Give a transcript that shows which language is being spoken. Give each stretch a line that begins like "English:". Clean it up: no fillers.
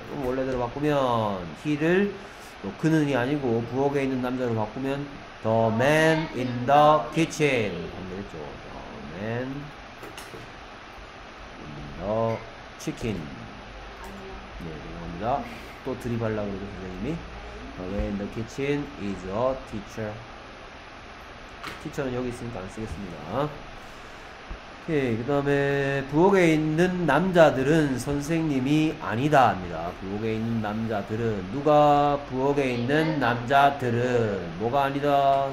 Korean: 그럼 원래대로 바꾸면 he를 그는이 아니고 부엌에 있는 남자로 바꾸면
English: the man in the kitchen.
Korean: 안 되겠죠?
English: The man in the 치킨.
Korean: 네, 죄송합니다. 또 드립하려고 그러죠, 선생님이.
English: The man in the kitchen is a teacher.
Korean: 티처는 여기 있으니까 안 쓰겠습니다. 오케이. 그 다음에, 부엌에 있는 남자들은 선생님이 아니다, 합니다. 부엌에 있는 남자들은, 누가 부엌에 있는 남자들은, 뭐가 아니다?